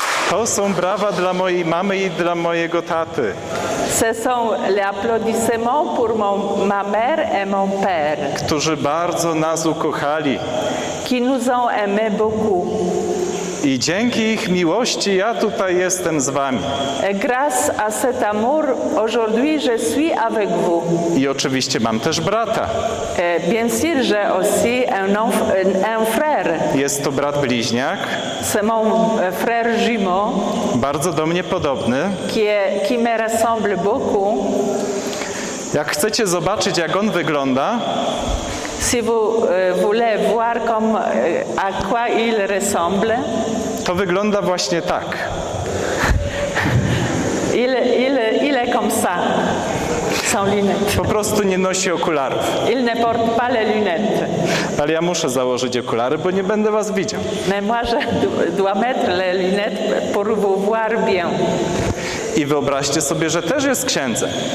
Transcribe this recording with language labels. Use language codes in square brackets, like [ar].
[pl] To są brawa dla mojej mamy i dla mojego taty. [fr] Ce sont les applaudissements pour ma mère et mon père. [pl] Którzy bardzo nas ukochali. [fr] Qui nous ont aimé beaucoup. [pl] I dzięki ich miłości ja tutaj jestem z wami. [fr] Et grâce à cet amour, aujourd'hui je suis avec vous. [pl] I oczywiście mam też brata. [fr] Bien sûr, j'ai aussi un frère. [pl] Jest to brat bliźniak. [fr] C'est mon frère jumeau. [pl] Bardzo do mnie podobny. [fr] Qui me ressemble beaucoup. [pl] Jak chcecie zobaczyć, jak on wygląda. [fr] Si vous voulez voir à quoi il ressemble. [pl] To wygląda właśnie tak. [fr] Il est comme ça. Sans lunettes. [pl] Po prostu nie nosi okularów. [fr] Il ne porte pas les lunettes. [pl] Ale ja muszę założyć okulary, bo nie będę was widział. [fr] Mais moi je dois mettre les lunettes pour vous voir bien. [pl] I wyobraźcie sobie, że też jest księdzem.